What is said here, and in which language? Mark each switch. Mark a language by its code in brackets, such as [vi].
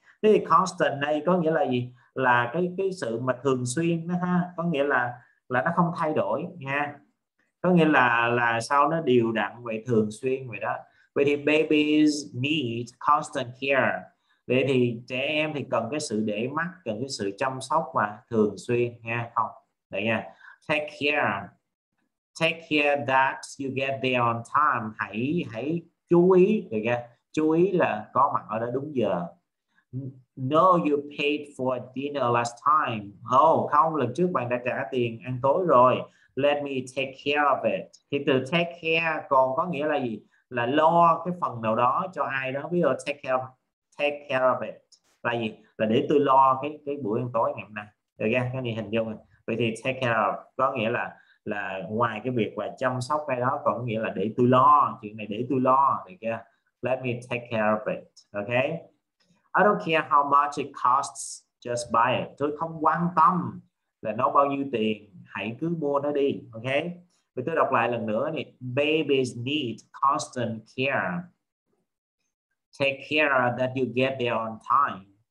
[vi] Thế thì constant đây có nghĩa là gì? Là cái sự mà thường xuyên đó ha, có nghĩa là nó không thay đổi nha. Có nghĩa là sao nó đều đặn vậy, thường xuyên vậy đó. Vậy thì [en] babies need constant care. [vi] Vậy thì trẻ em thì cần cái sự để mắt, cần cái sự chăm sóc mà thường xuyên nha, không đấy nha. [en] Take care that you get there on time. [vi] Hãy hãy chú ý, được nha, chú ý là có mặt ở đó đúng giờ. [en] Know you paid for dinner last time. [vi] Oh, không, lần trước bạn đã trả tiền ăn tối rồi. [en] Let me take care of it. [vi] Thì từ take care còn có nghĩa là gì? Là lo cái phần nào đó cho ai đó. Ví dụ take care of it là gì? Là để tôi lo cái buổi ăn tối ngày hôm nay, được chưa? Cái này hình dung. Vậy thì take care of có nghĩa là ngoài cái việc là chăm sóc cái đó, còn có nghĩa là để tôi lo chuyện này, để tôi lo, được chưa? [en] Let me take care of it. Okay. I don't care how much it costs, just buy it. [vi] Tôi không quan tâm là nó bao nhiêu tiền, hãy cứ mua nó đi. Okay. Vậy tôi đọc lại lần nữa này. [en] Babies need constant care. Take care that you get there on time.